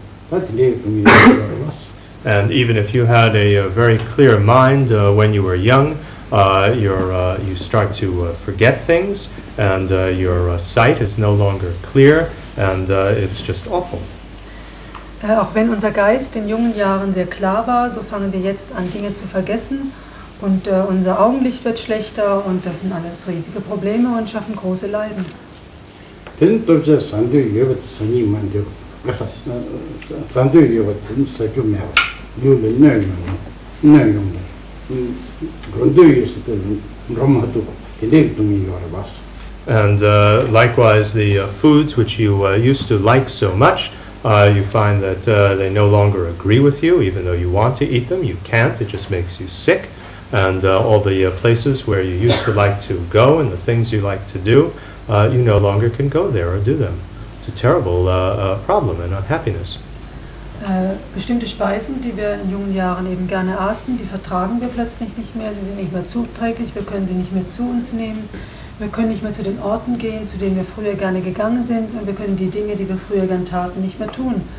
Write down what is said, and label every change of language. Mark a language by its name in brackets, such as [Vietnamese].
[English] And even if you had a very clear mind when you were young, you start to forget things, and your sight is no longer clear, and it's just awful. [German] Auch wenn unser Geist in jungen Jahren sehr klar war, so fangen wir jetzt an, Dinge zu vergessen. Und unser Augenlicht wird schlechter, und das sind alles riesige Probleme und schaffen große Leiden. [English] And likewise, the foods which you used to like so much, you find that they no longer agree with you, even though you want to eat them, you can't, it just makes you sick. And all the places where you used to like to go and the things you like to do, you no longer can go there or do them. It's a terrible problem and unhappiness. [German] Bestimmte Speisen, die wir in jungen Jahren eben gerne aßen, die vertragen wir plötzlich nicht mehr. Sie sind nicht mehr zuträglich, wir können sie nicht mehr zu uns nehmen. Wir können nicht mehr zu den Orten gehen, zu denen wir früher gerne gegangen sind. Und wir können die Dinge, die wir früher gern taten, nicht mehr tun.